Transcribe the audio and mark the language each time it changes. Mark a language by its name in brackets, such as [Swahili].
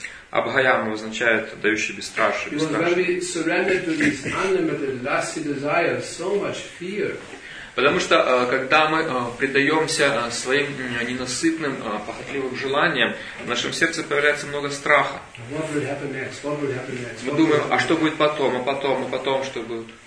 [Russian] Абхаям означает дающий бесстрашие. [English] You are very surrendered to these unlimited lusty desires, so much fear. [Russian] Потому что, когда мы предаемся своим ненасытным, похотливым желаниям, в нашем сердце появляется много страха. Мы думаем, а что будет потом, а потом, а потом, что будет?